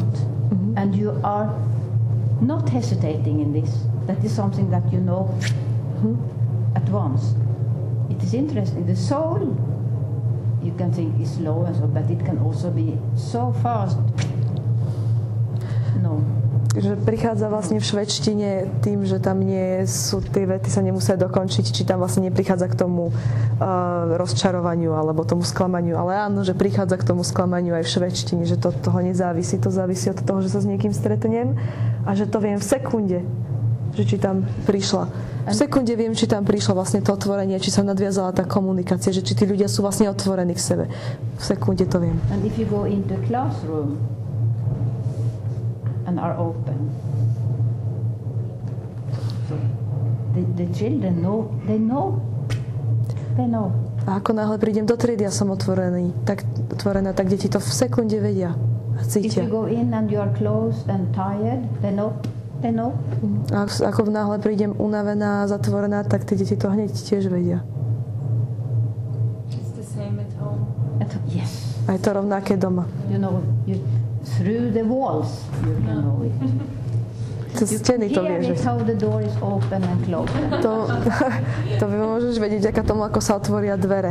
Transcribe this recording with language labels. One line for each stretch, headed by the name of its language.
English: mm-hmm. and you are not hesitating in this. That is something that you know at once. It is interesting. The soul, you can think is slow and so, but it can also be so fast. No.
Slovak: Že prichádza vlastne v švedštine tým, že tam nie sú tie vety, sa nemusia dokončiť, či tam vlastne neprichádza k tomu rozčarovaniu alebo tomu sklamaniu. Ale áno, že prichádza k tomu sklamaniu aj v švedštine, že to toho nezávisí. To závisí od toho, že sa s niekým stretnem a že to viem v sekunde, že či tam prišla. V sekunde viem, či tam prišlo vlastne to otvorenie, či sa nadviazala tá komunikácia, že či tí ľudia sú vlastne otvorení k sebe. V sekunde to viem.
English: And if you go into classroom and are open, so the children know, they know.
Slovak: A ako náhle prídem do triedy a som otvorený, tak otvorená, tak deti to v sekunde vedia a cítia.
English: If you go in and you are closed and tired, they know.
Slovak: A ako náhle prídem unavená, zatvorená, tak tie deti to hneď tiež vedia.
English: It's the same at home. Yes.
Slovak: A je to rovnaké doma.
English: You know, you, through the walls, you can know it.
Slovak: To steny to vie, že?
English: You can hear it, how the door is open and closed.
Slovak: To, to vy môžeš vedieť, aká tomu, ako sa otvoria dvere.